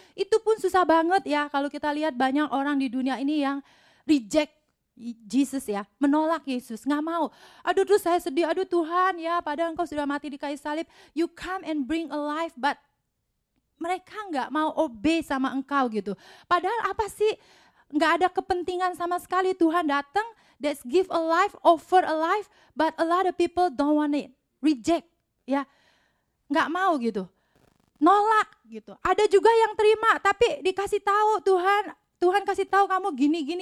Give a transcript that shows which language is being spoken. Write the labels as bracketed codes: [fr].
[id] Itu pun susah banget ya, kalau kita lihat banyak orang di dunia ini yang [en] reject Jesus [id] ya, menolak Yesus, gak mau. Aduh terus saya sedih, aduh Tuhan ya, padahal engkau sudah mati di kayu salib, [en] you come and bring a life, [id] but mereka enggak mau obey sama engkau gitu. Padahal apa sih? Enggak ada kepentingan sama sekali. Tuhan datang, [en] that's give a life, offer a life, but a lot of people don't want it. [id] Reject, ya. Enggak mau gitu. Nolak gitu. Ada juga yang terima, tapi dikasih tahu Tuhan kasih tahu kamu gini.